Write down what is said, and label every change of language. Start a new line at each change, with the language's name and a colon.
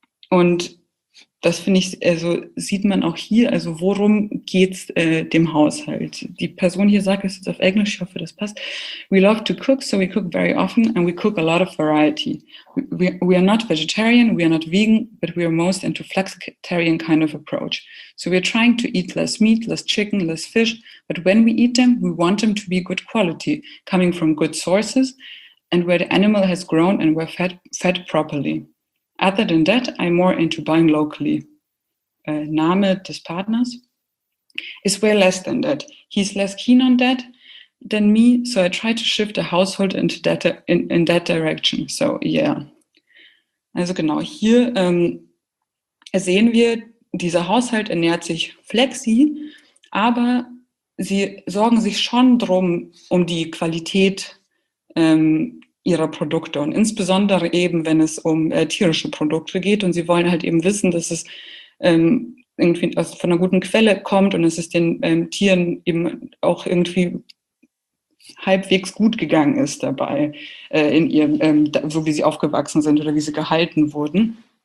German: Und das finde ich, also sieht man auch hier, also worum geht es dem Haushalt? Die Person hier sagt, es ist auf Englisch, ich hoffe, das passt.
English: We love to cook, so we cook very often and we cook a lot of variety. We are not vegetarian, we are not vegan, but we are most into flexitarian kind of approach. So we are trying to eat less meat, less chicken, less fish, but when we eat them, we want them to be good quality, coming from good sources and where the animal has grown and we're fed properly. Other than that, I'm more into buying locally. Name des Partners is way less than that. He's less keen on that than me, so I try to shift the household into that, in that direction. So, yeah.
German: Also genau, hier sehen wir, dieser Haushalt ernährt sich flexi, aber sie sorgen sich schon drum, um die Qualität ihrer Produkte und insbesondere eben, wenn es um tierische Produkte geht und sie wollen halt eben wissen, dass es irgendwie aus, von einer guten Quelle kommt und dass es den Tieren eben auch irgendwie halbwegs gut gegangen ist dabei, in ihrem, so wie sie aufgewachsen sind oder wie sie gehalten wurden.